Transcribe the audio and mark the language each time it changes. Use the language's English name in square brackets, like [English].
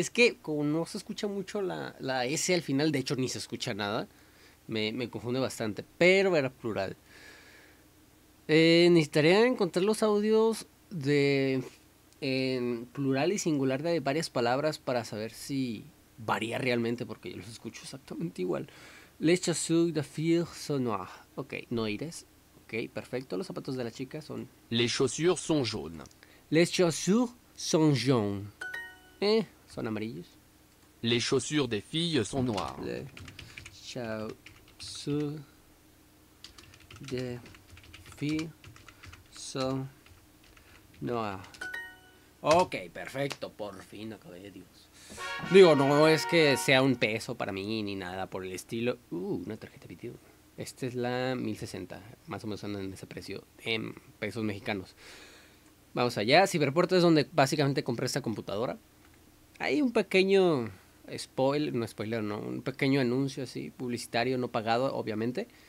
[Spanish] Es que como no se escucha mucho la S al final, de hecho ni se escucha nada, me confunde bastante. Pero era plural. Necesitaría encontrar los audios de en plural y singular de varias palabras para saber si varía realmente, porque yo los escucho exactamente igual. [French] Les chaussures des filles sont noires. [Spanish] Ok, no ires. Ok, perfecto. Los zapatos de la chica son... [French] Les chaussures sont jaunes. Les chaussures sont jaunes. [Spanish] Son amarillos. [French] Les chaussures des filles sont noires. Les chaussures des filles sont noires. [Spanish] Ok, perfecto. Por fin, acabé, Dios. Digo, no es que sea un peso para mí ni nada por el estilo. Una tarjeta video. Esta es la 1060, más o menos andan en ese precio, en pesos mexicanos. Vamos allá, Ciberport es donde básicamente compré esta computadora. Hay un pequeño un pequeño anuncio así, publicitario, no pagado, obviamente.